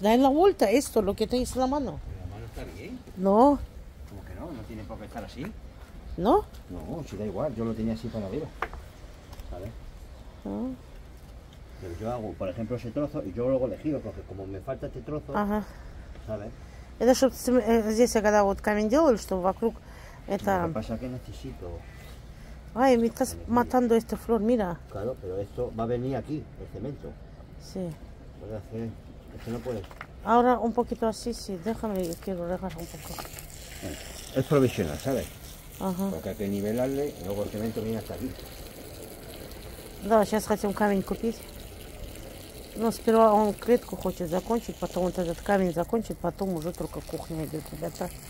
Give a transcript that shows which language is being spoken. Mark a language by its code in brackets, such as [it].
[es] Dale la vuelta a esto, lo que tienes en la mano. ¿La mano está bien? No. ¿Cómo que no? ¿No tiene por qué estar así? ¿No? No, si da igual. Yo lo tenía así para arriba. ¿Sabes? ¿No? Pero yo hago, por ejemplo, ese trozo y yo luego le giro, porque como me falta este trozo, ajá, ¿sabes? [ru] Это чтобы здесь, когда вот камень делали, чтобы вокруг это... [es] Lo que pasa es que necesito... Ay, me estás matando esta flor, mira. Claro, pero esto va a venir aquí, el cemento. Sí. Puede hacer, esto no puede. Ahora un poquito así, sí, déjame, quiero dejar un poco. Es provisional, ¿sabes? Ajá. Porque hay que nivelarle, y luego el cemento viene hasta aquí. [ru] Да, сейчас хотим камень купить. Но сперва он клетку хочет закончить, потом вот этот камень закончит, потом уже только кухня идет, ребята.